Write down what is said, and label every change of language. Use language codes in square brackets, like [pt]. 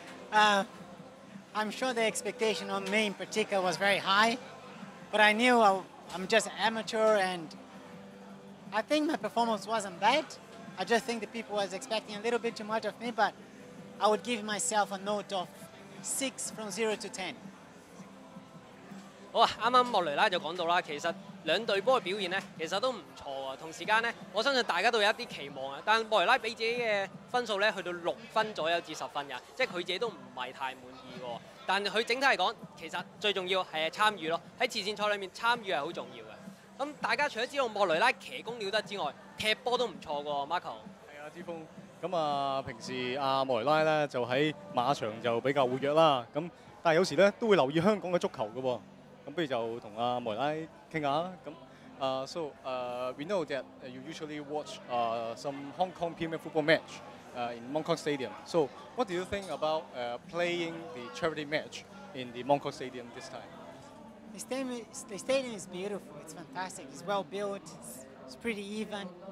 [en] I'm sure the expectation on me in particular was very high, but I knew I'm just amateur and I think my performance wasn't bad. I just think the people was expecting a little bit too much of me, but I would give myself a note of 6 from 0 to 10. [yue] 好啊，啱啱莫雷拉就講到啦，其實兩隊波嘅表現咧，其實都唔錯啊。同時間咧，我相信大家都有一啲期望啊。但莫雷拉俾自己嘅分數咧，去到6分左右至10分嘅，即係佢自己都唔係太滿意喎。但佢整體嚟講，其實最重要係參與咯。喺慈善賽裏面參與係好重要嘅。咁大家除咗知道莫雷拉騎功了得之外，踢波都唔錯喎 ，Marco。係啊，之峰。咁啊，平時阿莫雷拉咧就喺馬場就比較活躍啦。咁但係有時咧都會留意香港嘅足球嘅喎。咁不如就同阿莫雷拉傾下啦。 [en] 咁we know that you usually watch some Hong Kong Premier Football match in Mong Kok Stadium. So what do you think about playing the charity match in the Mong Kok Stadium this time? The stadium is beautiful. It's fantastic. It's well built. It's pretty even.